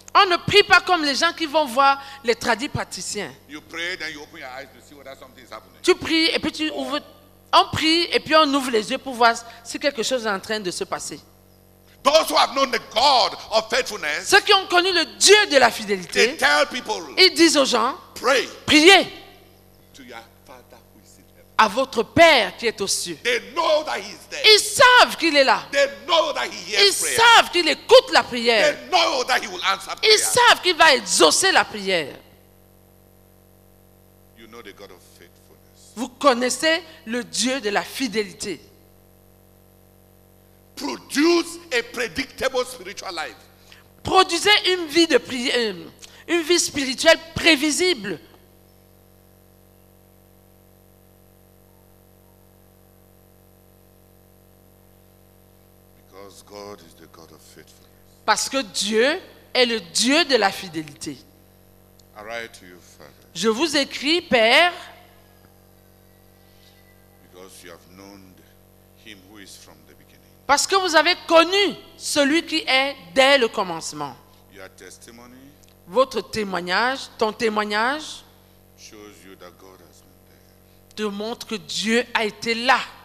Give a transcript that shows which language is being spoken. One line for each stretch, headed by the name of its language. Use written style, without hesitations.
French: On ne prie pas comme les gens qui vont voir les tradis praticiens.
English: You pray, then you open your eyes to see whether something is happening.
French: Tu pries et puis tu ouvres. On prie et puis on ouvre les yeux pour voir si quelque chose est en train de se passer.
English: Those who have known the God of faithfulness,
French: ceux qui ont connu le Dieu de la fidélité,
English: they tell people,
French: ils disent aux gens,
English: pray,
French: priez
English: to your Father who is in heaven.
French: À votre Père qui est aux cieux.
English: They know that he is there.
French: Ils savent qu'il est là.
English: They know that he hears
French: ils
English: prayer.
French: Savent qu'il écoute la prière.
English: They know that he will answer prayer.
French: Ils savent qu'il va exaucer la prière.
English: You know the God of faithfulness.
French: Vous connaissez le Dieu de la fidélité.
English: Produce a predictable spiritual life.
French: Produisez une vie de une vie spirituelle prévisible.
English: Because God is the God of faithfulness.
French: Parce que Dieu est le Dieu de la fidélité.
English: I write to you, Father.
French: Je vous écris, Père.
English: Because you have known him who is from.
French: Parce que vous avez connu celui qui est dès le commencement.
English: Your testimony,
French: votre témoignage, ton témoignage,
English: shows you that God has been there.
French: Te montre que Dieu a été là.